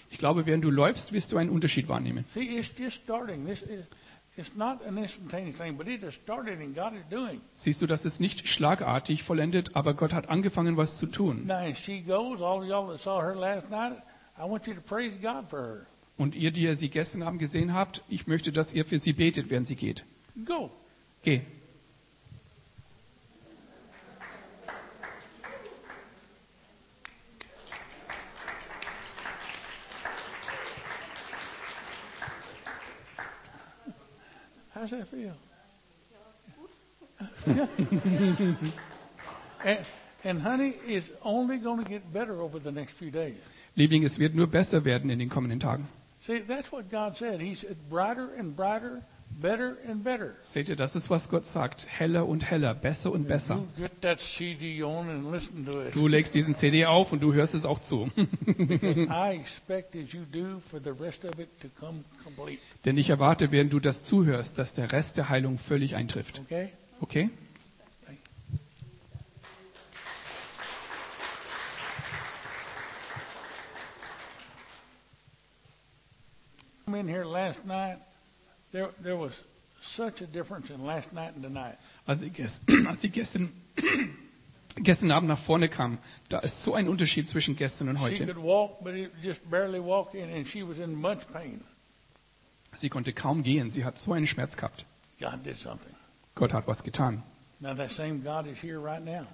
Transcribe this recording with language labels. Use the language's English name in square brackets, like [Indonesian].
[German] Ich glaube, während du läufst, wirst du einen Unterschied wahrnehmen. [English] See, it's just starting. This is, it's not an instantaneous thing, but it has started and God is doing. [German] Siehst du, das ist nicht schlagartig vollendet, aber Gott hat angefangen, was zu tun. [English] Now, as she goes, all y'all that saw her last night, I want you to praise God for her. [German] Und ihr, die ihr sie gestern Abend gesehen habt, ich möchte, dass ihr für sie betet, während sie geht. [English] Go. [German] Geh. [English] How's that feel? And honey, it's only going to get better over the next few days. [German] Liebling, es wird nur besser werden in den kommenden Tagen. [English] See, that's what God said. He said brighter and brighter, better and better. [German] Seht ihr, das ist, was Gott sagt. Heller und heller, besser und besser. [English] You get that CD on and listen to it. [German] Du legst diesen CD auf und du hörst es auch zu. [English] I expect, as you do, for the rest of it to come complete. [German] Denn ich erwarte, während du das zuhörst, dass der Rest der Heilung völlig eintrifft. [English] Okay? Okay? I'm in here last night. There was such a difference in last night and tonight. [German] Als ich gestern Abend nach vorne kam, da ist so ein Unterschied zwischen gestern und heute. [English] She could walk, but it just barely walked in, and she was in much pain. [German] Sie konnte kaum gehen. Sie hat so einen Schmerz gehabt. [English] God did something. [German] Gott hat was getan. [English] Now that same God is here right now.